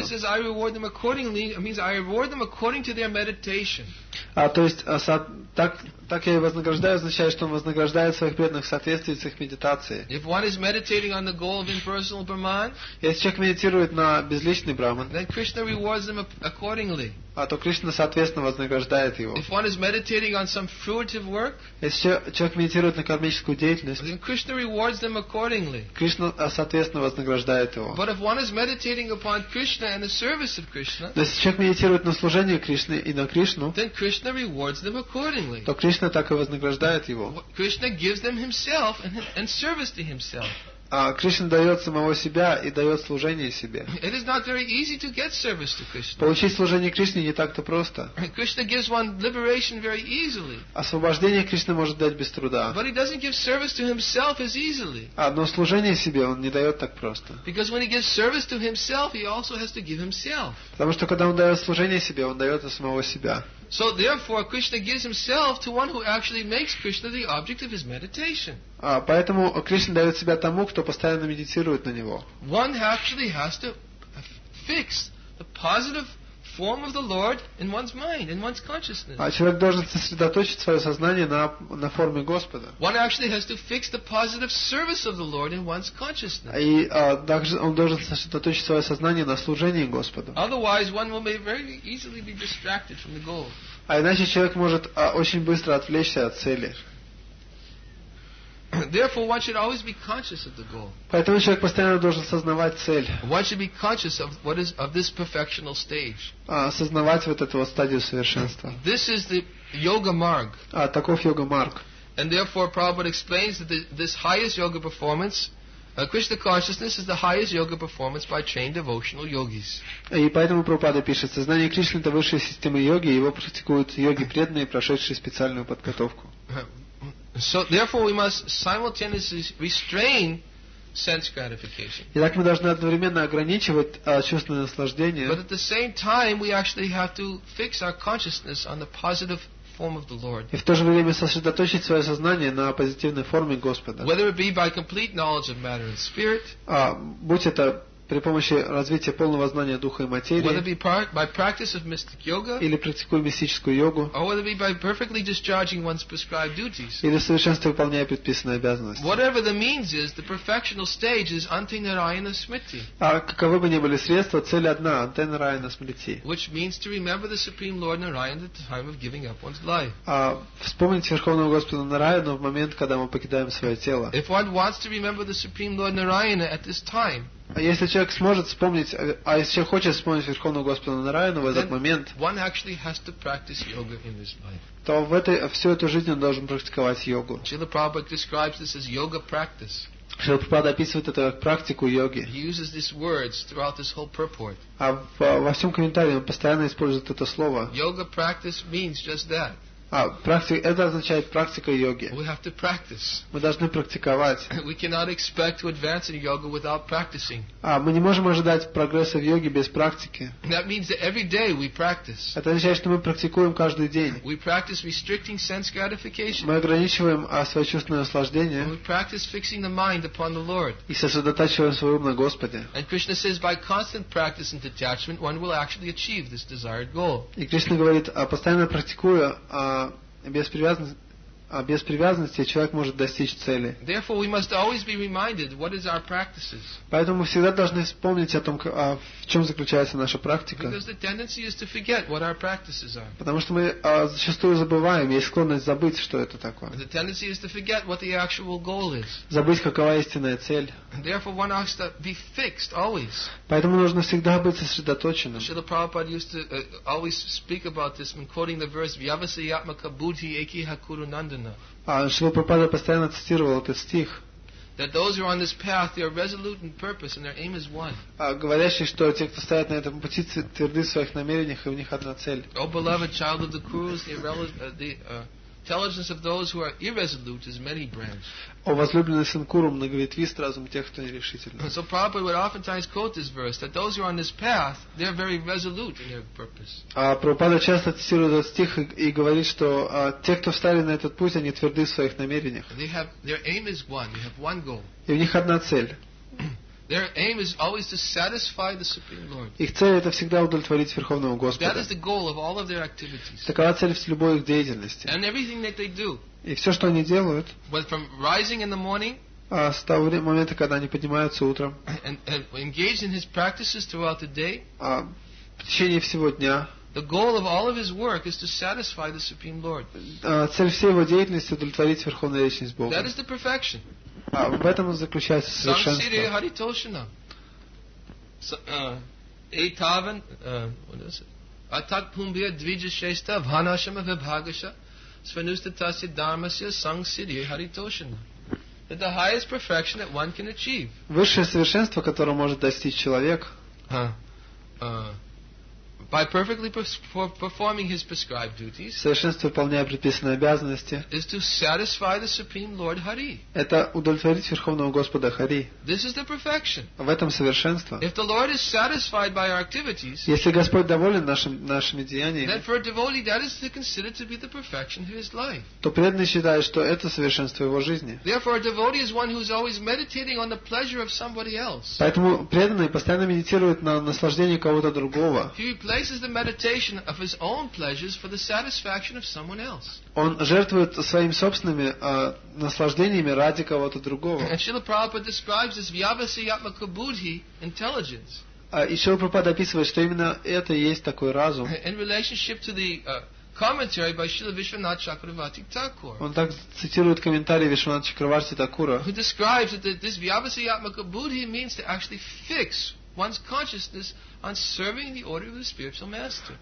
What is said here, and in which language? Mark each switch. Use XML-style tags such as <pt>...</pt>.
<en>Krishna says, I reward them accordingly, it means I reward them according to their meditation.</en> <ru>То есть так я и вознаграждаю, означает, что он вознаграждает своих преданных в соответствии с их медитацией.</ru> <en>If one is meditating on the goal of impersonal Brahman,</en> <ru>если человек медитирует на безличный Брахман,</ru> <en>then Krishna rewards them accordingly.</en> <ru>То Кришна соответственно вознаграждает его.</ru> <en>If one is meditating on some fruitive work,</en> <ru>если человек медитирует на кармическую деятельность,</ru> <en>then Krishna rewards them accordingly.</en> <ru>Кришна соответственно вознаграждает его.</ru> <en>But if one is meditating upon Krishna and the service of Krishna,</en> <ru>если человек медитирует на служение Кришны и на Кришну,</ru> <en>then Krishna rewards them accordingly.</en> <ru>То Кришна так и вознаграждает его.</ru> <en>Krishna gives them himself and service to himself.</en> <ru>Кришна дает самого себя и дает служение себе.</ru> <en>It is not very easy to get service to Krishna.</en> <ru>Получить служение Кришне не так-то просто.</ru> <en>Krishna gives one liberation very easily.</en> <ru>Освобождение Кришна может дать без труда.</ru> <en>But he doesn't give service to himself as easily.</en> <ru>Но служение себе он не дает так просто.</ru> <en>Because when he gives service to himself, he also has to give himself.</en> <ru>Потому что когда он дает служение себе, он дает и самого себя.</ru> <en>So therefore, Krishna gives himself to one who actually makes Krishna the object of his meditation.</en> <ru>Поэтому Кришна дает себя тому, кто постоянно медитирует на него.</ru> <en>One actually has to fix the positive form of the Lord in one's mind, in one's consciousness.</en> <ru>Человек должен сосредоточить свое сознание на форме Господа.</ru> <en>One actually has to fix the positive service of the Lord in one's consciousness.</en> <ru>И также он должен сосредоточить свое сознание на служении Господу.</ru> <en>Otherwise, one will very easily be distracted from the goal.</en> <ru>А иначе человек может очень быстро отвлечься от цели.</ru> <en>Therefore, one should always be conscious of the goal.</en> <ru>Поэтому человек постоянно должен сознавать цель.</ru> <en>One should be conscious of what is of this perfectional stage.</en> <ru>Осознавать вот эту вот стадию совершенства.</ru> <en>This is the yoga marg.</en> <ru>Таков йога марг.</ru> <en>And therefore, Prabhupada explains that this highest yoga performance, Krishna consciousness, is the highest yoga performance by trained devotional yogis.</en> <ru>И поэтому Прабхупада пишет, сознание Кришны это высшая система йоги, его практикуют йоги преданные, прошедшие специальную подготовку.</ru> <en>So therefore we must simultaneously restrain sense gratification.</en> <ru>Итак, мы должны одновременно ограничивать чувственное наслаждение.</ru> <en>But at the same time we actually have to fix our consciousness on the positive form of the Lord.</en> <ru>И в то же время сосредоточить свое сознание на позитивной форме Господа.</ru> <en>Whether it be by complete knowledge of matter and spirit,</en> <ru>будь это при помощи развития полного знания духа и материи, или практикуя мистическую йогу, или совершенствуя выполняя предписанные обязанности. А каковы бы ни были средства, цель одна —</ru> <sa>Антэ Нараяна Смрити.</sa> <en>Which means to remember the Supreme Lord Narayana at the time of giving up one's life.</en> <ru>А вспомнить Верховного Господа Нараяну в момент, когда мы покидаем свое тело.</ru> <en>If one wants to remember the Supreme Lord Narayana at this time.</en> <ru>А если человек сможет вспомнить, а если человек хочет вспомнить Верховного Господа Нараяну в этот момент,</ru> <en>one actually has to practice yoga in this life.</en> <ru>То в этой всю эту жизнь он должен практиковать йогу.</ru> <en>Srila Prabhupada describes this as yoga practice.</en> <ru>Шрила Прабхупада описывает это как практику йоги.</ru> <en>He uses these words throughout this whole purport.</en> <ru>А во всем комментарии он постоянно использует это слово.</ru> <en>Yoga practice means just that.</en> <ru>А практика, это означает практика йоги.</ru> <en>We have to practice.</en> <ru>Мы должны практиковать.</ru> <en>We cannot expect to advance in yoga without practicing.</en> <ru>А мы не можем ожидать прогресса в йоге без практики.</ru> <en>That means that every day we practice.</en> <ru>Это означает, что мы практикуем каждый день.</ru> <en>We practice restricting sense gratification.</en> <ru>Мы ограничиваем свое чувственное наслаждение.</ru> <en>We practice fixing the mind upon the Lord.</en> <ru>И сосредотачиваем свой ум на Господе.</ru> <en>And Krishna says, by constant practice and detachment, one will actually achieve this desired goal.</en> <ru>И Кришна говорит, постоянно практикуя без привязанности человек может достичь цели.</ru> <en>Therefore, we must always be reminded what is our practices.</en> <ru>Поэтому мы всегда должны вспомнить о том, в чем заключается наша практика.</ru> <en>Because the tendency is to forget what our practices are.</en> <ru>Потому что мы зачастую забываем, есть склонность забыть, что это такое.</ru> <en>The tendency is to forget what the actual goal is.</en> <ru>Забыть, какова истинная цель.</ru> <en>And therefore, one has to be fixed always.</en> <ru>Поэтому нужно всегда быть сосредоточенным.</ru> <en>Srila Prabhupada used to always speak about this when quoting the verse</en> <sa>Vyavasayatmaka Buddhi Ekiha Kuru Nanda.</sa> <ru>Шрила Прабхупада постоянно цитировал этот стих.</ru> <en>That those who are on this path, they are resolute in purpose, and their aim is one.</en> <ru>Говорящий, что те, кто стоят на этом пути, тверды в своих намерениях, и у них одна цель.</ru> <en>O beloved child of the Kurus, intelligence of those who are irresolute is many branches.</en> <ru>О возлюбленный сын Куру, многоветвист разум тех, кто нерешительный.</ru> <en>So Prabhupada would oftentimes quote this verse that those who are on this path, they are very resolute in their purpose.</en> <ru>А Прабхупада часто цитирует этот стих и говорит, что те, кто встали на этот путь, они тверды в своих намерениях.</ru> <en>They have their aim is one. They have one goal.</en> <ru>И у них одна цель.</ru> <en>Their aim is always to satisfy the Supreme Lord.</en> <ru>Их цель это всегда удовлетворить Верховного Господа.</ru> <en>That is the goal of all of their activities.</en> <ru>Такова цель в любой их деятельности.</ru> <en>And everything that they do.</en> <ru>И все, что они делают.</ru> <en>But from rising in the morning.</en> <ru>С того момента, когда они поднимаются утром.</ru> <en>And engaged in his practices throughout the day.</en> <ru>В течение всего дня.</ru> <en>The goal of all of his work is to satisfy the Supreme Lord.</en> <ru>Цель всей его деятельности удовлетворить Верховную Личность Бога.</ru> <en>That is the perfection.</en> <ru>В этом заключается совершенство.</ru> <sa>Sansire Haritoshana. Etavan,</sa> <en>what is it?</en> <sa>Atakpumbhya Dvijashesta Vhanashama Vibhagasha Svanustatasya Dharmasya Sansire Haritoshana.</sa> <en>That the highest perfection that one can achieve.</en> <ru>Высшее совершенство, которое может достичь человек.</ru> <en>By perfectly performing his prescribed duties,</en> <ru>совершенно выполняя предписанные обязанности,</ru> <en>is to satisfy the Supreme Lord Hari.</en> <ru>Это удовлетворить Верховного Господа Хари.</ru> <en>This is the perfection.</en> <ru>В этом совершенство.</ru> <en>If the Lord is satisfied by our activities,</en> <ru>если Господь доволен нашими деяниями,</ru> <en>then for a devotee that is considered to be the perfection of his life.</en> <ru>То преданный считает, что это совершенство его жизни.</ru> <en>Therefore, a devotee is one who is always meditating on the pleasure of somebody else.</en> <ru>Поэтому преданный постоянно медитирует на наслаждение кого-то другого.</ru> <en>Places the meditation of his own pleasures for the satisfaction of someone else.</en> <ru>Он жертвует своими собственными наслаждениями ради кого-то другого.</ru> <en>And Srila Prabhupada describes this vyavasayatmaka buddhi intelligence.</en> <ru>И Srila Prabhupada описывает, что именно это и есть такой разум.</ru> <en>In relationship to the commentary by Srila Vishwanath Chakravarti Thakur.</en> <ru>Он так цитирует комментарий Вишванатха Чакраварти Такура.</ru> <en>Who describes that this vyavasayatmaka buddhi means to actually fix one's consciousness on serving the order of the spiritual master.</en>